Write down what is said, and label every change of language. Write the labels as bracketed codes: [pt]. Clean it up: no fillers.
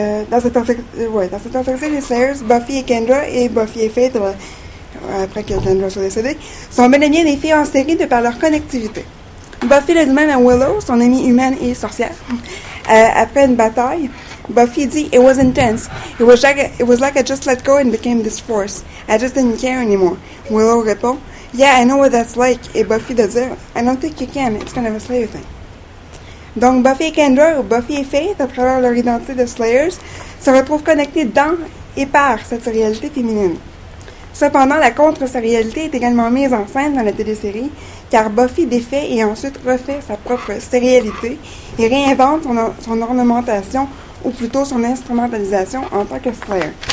[fr] Dans cette perspective, les Slayers, Buffy et Kendra, et Buffy et Faith, après que Kendra soit décédée, sont bel et bien des filles en série de par leur connectivité. Buffy le dit même à Willow, son amie humaine et sorcière. Après une bataille, Buffy dit « [en] It was intense. It was like I just let go and became this force. I just didn't care anymore. » [fr] Willow répond [en] « Yeah, I know what that's like. » [fr] Et Buffy de dire [en] « I don't think you can. It's kind of a Slayer thing. [fr] » Donc, Buffy et Kendra, ou Buffy et Faith, à travers leur identité de Slayers, se retrouvent connectées dans et par cette réalité féminine. Cependant, la contre-sérialité est également mise en scène dans la télésérie, car Buffy défait et ensuite refait sa propre sérialité et réinvente son ornementation, ou plutôt son instrumentalisation en tant que Slayer.